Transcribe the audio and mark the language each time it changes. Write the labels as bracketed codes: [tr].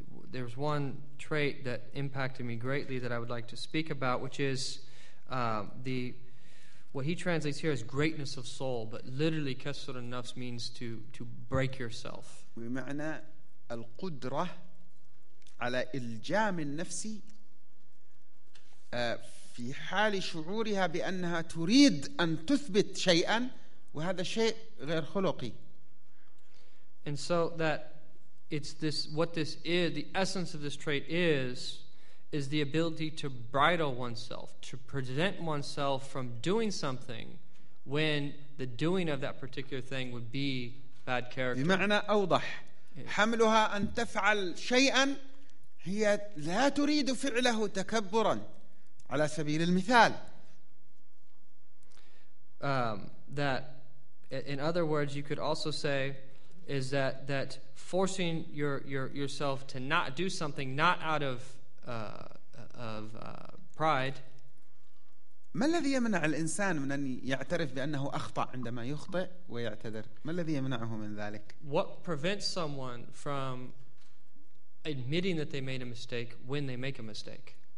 [en] There's one trait that impacted me greatly that I would like to speak about, which is what he translates here as greatness of soul, but literally كسر النفس means to break yourself. [ar] بمعنى القدرة على إلجام النفس في حال شعورها بأنها تريد أن تثبت شيئا وهذا شيء غير خلقي. [en] And so that it's this, what this is, the essence of this trait is the ability to bridle oneself, to prevent oneself from doing something when the doing of that particular thing would be bad character. [ar] بمعنى أوضح حملها أن تفعل شيئا هي لا تريد فعله تكبرا على سبيل المثال. [en] That, in other words, you could also say is that forcing yourself to not do something not out of pride. [ar] ما الذي يمنع الإنسان من أن يعترف بأنه أخطأ عندما يخطئ ويعتذر؟ ما الذي يمنعه من ذلك؟ [en] What prevents someone from admitting that they made a mistake when they make a mistake?